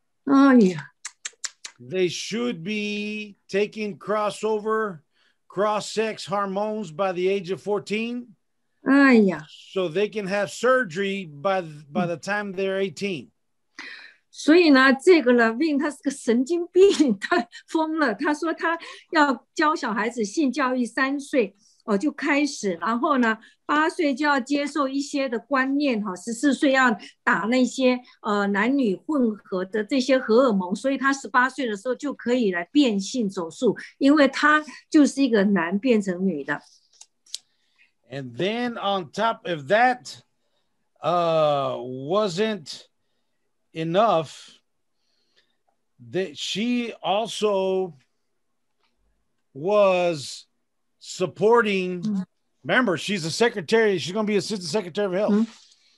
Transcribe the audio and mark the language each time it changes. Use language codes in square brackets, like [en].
[en] Oh, yeah. They should be taking cross-sex hormones by the age of 14. So they can have surgery by the time they're 18. [zh] 所以呢，这个Levine他是个神经病，他疯了。他说他要教小孩子性教育三岁就开始，然后呢，八岁就要接受一些的观念哈，14岁要打那些男女混合的这些荷尔蒙，所以他18岁的时候就可以来变性手术，因为他就是一个男变成女的。 [en] And then on top of that, wasn't enough that she also was supporting, remember, she's a secretary, she's going to be assistant secretary of health.